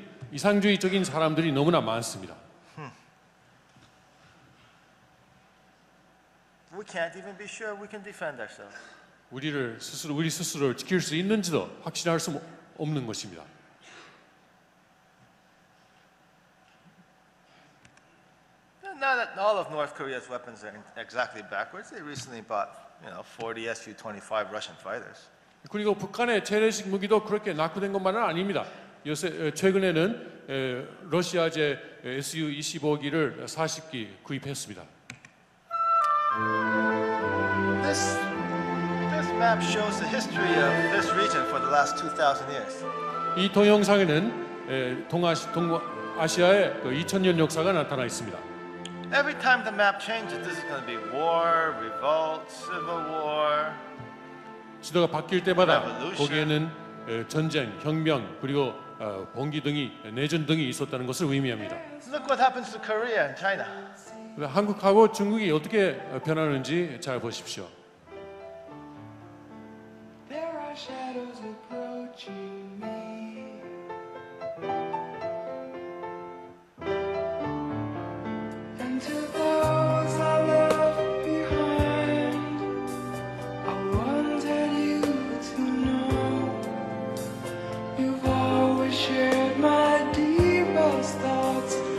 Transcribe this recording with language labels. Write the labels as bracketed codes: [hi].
[ko] 이상주의적인 사람들이 너무나 많습니다. [en] We can't even be sure we can defend ourselves. [ko] 우리 스스로를 지킬 수 있는지도 확신할 수 없는 것입니다. [en] Now that all of North Korea's weapons are exactly backwards, they recently bought, you know, 40 Su-25 Russian fighters. [ko] 그리고 북한의 재래식 무기도 그렇게 낙후된 것만은 아닙니다. 요새 최근에는 러시아제 Su-25기를 40기 구입했습니다. [en] This map shows the history of this region for the last 2,000 years. [ko] 이 동영상에는 동아시아의 2,000년 역사가 나타나 있습니다. [en] Every time the map changes, this is going to be war, revolt, civil war. [ko] 지도가 바뀔 때마다 revolution. 거기에는 전쟁, 혁명, 그리고 봉기 등이 내전 등이 있었다는 것을 의미합니다. [en] Look what happens to Korea and China. [ko] 한국하고 중국이 어떻게 변하는지 잘 보십시오. [en] There are shadows approaching me. And to those I left behind, I wanted you to know you've always shared my deepest thoughts.